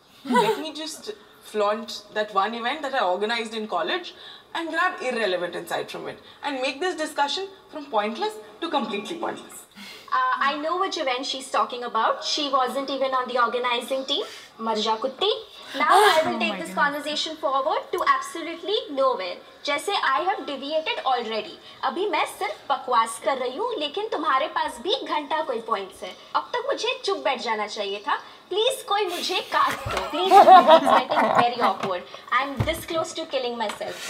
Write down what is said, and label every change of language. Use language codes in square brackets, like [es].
[en] Let me just flaunt that one event that I organized in college and grab irrelevant insight from it and make this discussion from pointless to completely pointless. I know which event she's talking about. She wasn't even on the organizing team. Marja Kutti. Now I will take this conversation forward to absolutely nowhere. जैसे I have deviated already. [hi] अभी मैं सिर्फ बकवास कर रही हूँ लेकिन तुम्हारे पास भी घंटा कोई पॉइंट्स है अब तक मुझे चुप बैठ जाना चाहिए था Please, कोई मुझे काट दो. [en] Please, it's getting very awkward. I'm this close to killing myself.